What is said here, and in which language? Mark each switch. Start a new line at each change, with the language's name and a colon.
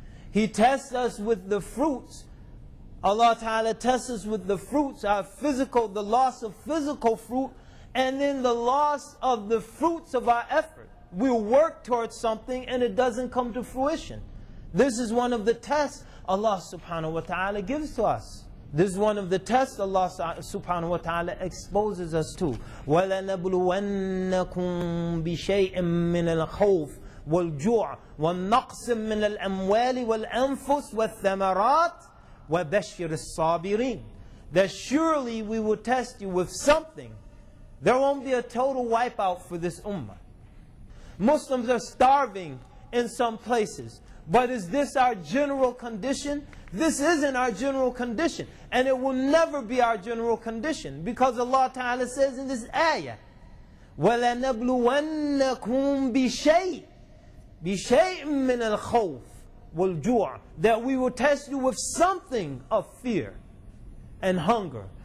English: He tests us with the fruits. Allah Ta'ala tests us with the fruits, our physical, the loss of physical fruit, and then the loss of the fruits of our effort. We work towards something and it doesn't come to fruition. This is one of the tests Allah Subhanahu Wa Ta'ala gives to us. This is one of the tests Allah subhanahu wa ta'ala exposes us to.
Arabic: وَلَنَبْلُوَنَّكُمْ بِشَيْءٍ مِّنَ الْخَوْفِ وَالْجُوعِ وَالنَّقْسِ مِّنَ الْأَمْوَالِ وَالْأَنفُسِ وَالثَّمَرَاتِ وَبَشِّرِ الصَّابِرِينَ
English: That surely we will test you with something. There won't be a total wipeout for this ummah. Muslims are starving in some places. But is this our general condition? This isn't our general condition. And it will never be our general condition. Because Allah Ta'ala says in this ayah,
Arabic: وَلَنَبْلُوَنَّكُمْ بِشَيْءٍ بِشَيْءٍ مِّنَ الْخَوْفِ وَالْجُوعِ
English: That we will test you with something of fear and hunger.